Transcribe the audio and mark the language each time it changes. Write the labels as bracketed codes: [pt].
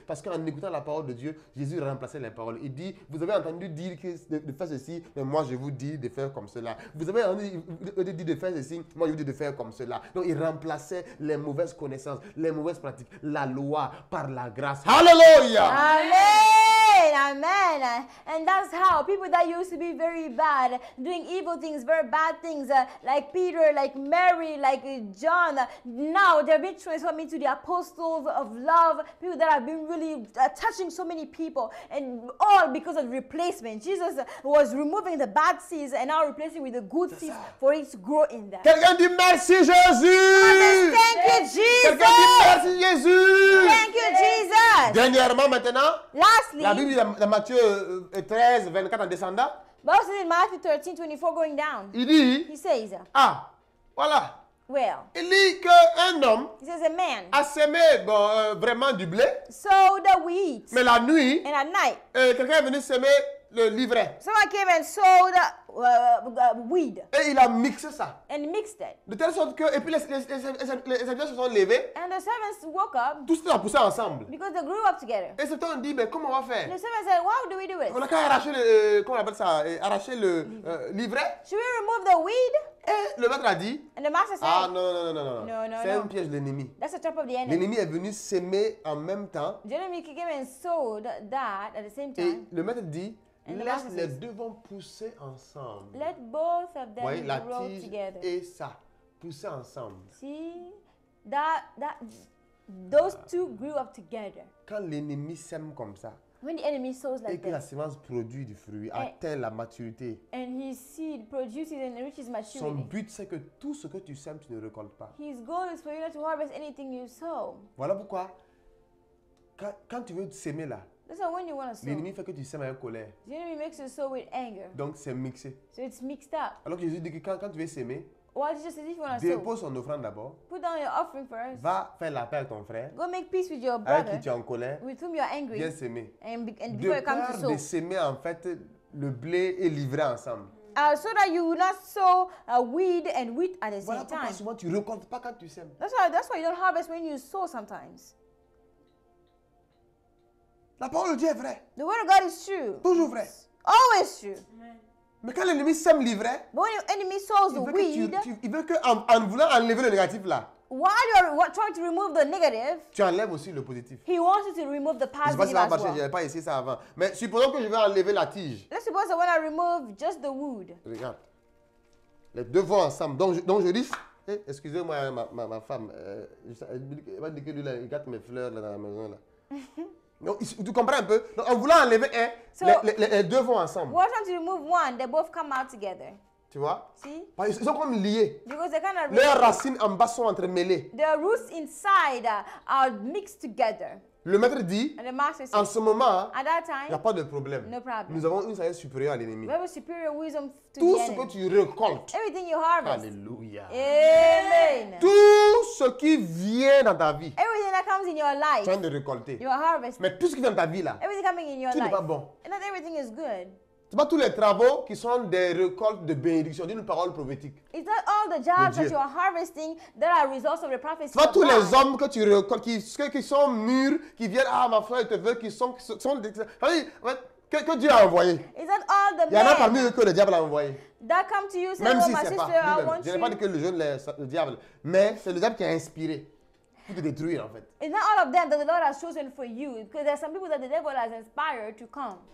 [fr] Parce qu'en écoutant la parole de Dieu, Jésus remplaçait les paroles. Il dit, vous avez entendu dire de faire ceci, mais moi je vous dis de faire comme cela. Vous avez entendu dire de faire ceci, moi je vous dis de faire comme cela. Donc il remplaçait les mauvaises connaissances, les mauvaises pratiques, la loi par la grâce. Hallelujah! Amen! Amen! [en] And that's how people that used to be very bad, doing evil things, very bad things, like Peter, like Mary, like John, now they're being transformed into the apostles of love, people that have been really touching so many people, and all because of replacement. Jesus was removing the bad seeds and now replacing with the good seeds for it to grow in them. [fr] Quelqu'un dit merci Jésus! [en] Thank you Jesus! [fr] Quelqu'un dit merci Jésus! [en] Thank you Jesus! [fr] Dernièrement maintenant, [en] lastly, [fr] la Bible de Matthieu 13, 24 en descendant, [en] but also in Matthew 13, 24 going down, [fr] il dit, [en] he says, [fr] ah, voilà. [en] Well, [fr] il dit qu'un homme [en] he says a man [fr] a semé bon, vraiment du blé, [en] sowed the wheat, [fr] mais la nuit, [en] and at night, [fr] quelqu'un est venu semer le livret. [en] Someone came and sold weed. [fr] Et il a mixé ça. [en] And mixed it. [fr] De telle sorte que, et puis les serviteurs se sont levés. [en] And the servants woke up. [fr] Tous se sont poussés ensemble. [en] Because they grew up together. [fr] Et certains ont dit, mais comment on va faire? [en] And the servants said, how do we do it? [fr] On a qu'à arracher le, comment on appelle ça, arracher le livret. [en] Should we remove the weed? [fr] Et le maître a dit, [en] and the master said, [fr] ah non. C'est un piège de l'ennemi. [en] That's a trap of the enemy. [fr] L'ennemi est venu semer en même temps. [en] The enemy came and sowed that at the same time. [fr] Et le maître dit, laisse les deux vents pousser ensemble. [en] Let both of them [fr] voyez, [en] grow [fr] tige [en] together. [fr] Et ça, pousser ensemble. [en] See, that those two grew up together. [fr] Quand l'ennemi sème comme ça, [en] when the enemy sows like [fr] et que la semence produit du fruit, atteint la maturité. [en] And his seed produces and reaches maturity. [fr] Son but c'est que tout ce que tu sèmes, tu ne récoltes pas. [en] His goal is for you not to harvest anything you sow. [fr] Voilà pourquoi quand tu veux semer là. [en] That's why when you want to sow. [fr] L'ennemi fait que tu sèmes avec colère. [en] The enemy makes you sow with anger. [fr] Donc c'est mixé. [en] So it's mixed up. [fr] Alors que Jésus dit que quand tu veux semer. [en] Well, just as if you want [fr] to dépose son offrande d'abord. [en] Put down your offering first. [fr] Va faire la paix avec ton frère. [en] Go make peace with your brother. [fr] Avec qui tu es en colère. [en] With whom you are angry. [fr] Viens semer. [en] And before you come to sow. [fr] De semer en fait le blé et livrer ensemble. [en] So that you will not sow weed and wheat at the same [fr] voilà [en] time. [fr] Souvent tu récoltes pas quand tu sèmes. [en] That's why you don't harvest when you sow sometimes. [fr] La parole de Dieu est vraie. [en] The word of God is true. [fr] Toujours vrai. [en] It's always true. Amen. [fr] Mais quand l'ennemi sème l'ivraie, [en] but when your enemy sows the weed, [fr] il veut que en voulant enlever le négatif là, [en] while you're trying to remove the negative, [fr] tu enlèves aussi le positif. [en] He wants you to remove the positive as well. [fr] Je ne sais pas si ça va marcher, je n'avais pas essayé ça avant. Mais supposons que je veux enlever la tige. [en] Let's suppose that when I remove just the wood. [fr] Regarde. Les deux vont ensemble. Donc je dis, excusez-moi ma femme, elle m'a dit que lui, il gâte mes fleurs là, dans la maison là. Tu comprends un peu? Donc, en voulant enlever un, [en] so, [fr] les deux vont ensemble. [en] We're trying to remove one, they both come out together. [fr] Tu vois? [en] See? [fr] Parce qu'ils sont comme liés. [en] Because they kind of [fr] leurs really racines en bas sont entremêlées. [en] The roots inside are mixed together. [fr] Le maître dit, [en] and the master says, [fr] en ce moment, [en] at that time, [fr] y a pas de problème. [en] No problem. [fr] Nous avons une sagesse supérieure à l'ennemi. [en] We have a superior wisdom to [fr] tout [en] the [fr] ce que tu récoltes. [en] Everything you harvest. [fr] Alléluia. [en] Amen. [fr] Tout ce qui vient dans ta vie. [en] Everything that comes in your life. [fr] Tu viens de récolter. [en] You are harvesting. [fr] Mais tout ce qui vient dans ta vie là. [en] Everything coming in your [fr] tout [en] life. [fr] Tout n'est pas bon. [en] And not everything is good. [fr] Ce n'est pas tous les travaux qui sont des récoltes de bénédiction, d'une parole prophétique. [en] It's not all the jobs that you are harvesting that are results of the prophecy. [fr] Ce n'est pas tous les hommes que tu récoltes, qui sont mûrs, qui viennent, ah ma foi, je te veux, qui sont des. Que Dieu a envoyé. [en] It's not all the [fr] il y en a parmi eux que le diable a envoyé. [en] That come to you, say, [fr] même [en] oh, [fr] si [en] ma [fr] c'est [en] sister, [fr] pas. Je n'ai pas dit que le jeune, le diable, mais c'est le diable qui a inspiré. Pour te détruire en fait. [en] It's not all of them that the Lord has chosen for you, because there are some people that the devil has inspired to come.